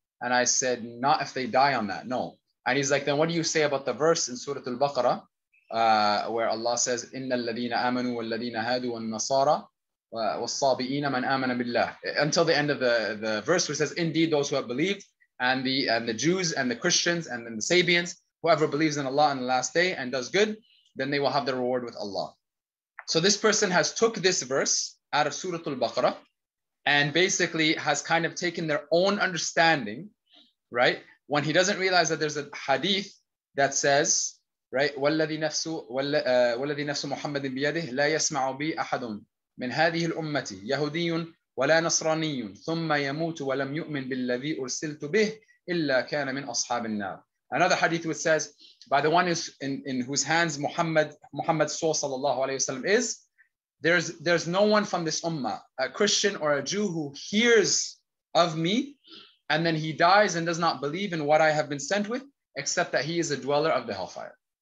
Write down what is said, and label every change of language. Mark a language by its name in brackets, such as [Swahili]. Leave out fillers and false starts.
[English] And I said, not if they die on that, no. And he's like, then what do you say about the verse in Surah Al-Baqarah where Allah says, [Arabic] إِنَّ الَّذِينَ آمَنُوا وَالَّذِينَ هَادُوا وَالنَّصَارَى وَالصَّابِئِينَ مَنْ آمَنَ بِاللَّهِ [English] until the end of the verse, which says, indeed, those who have believed, and the Jews and the Christians and then the Sabians, whoever believes in Allah on the last day and does good, then they will have the reward with Allah. So this person has took this verse out of Surah Al-Baqarah and basically has kind of taken their own understanding, right? When he doesn't realize that there's a hadith that says, right, [Arabic] وَالَّذِي نَفْسُ مُحَمَّدٍ بِيَدِهِ لَا يَسْمَعُ بِي أَحَدٌ مِنْ هَذِهِ الْأُمَّةِ يَهُدِيٌ وَلَا نَصْرَانِيٌ ثُمَّ يَمُوتُ وَلَمْ يُؤْمِنْ بِالَّذِي أُرْسِلْتُ بِهِ إِلَّا كَانَ مِنْ أَصْحَابِ النَّارِ. [English] Another hadith which says, by the one in whose hands Muhammad sallallahu alayhi wa sallam is, there's no one from this ummah, a Christian or a Jew, who hears of me and then he dies and does not believe in what I have been sent with, except that he is a dweller of the hellfire.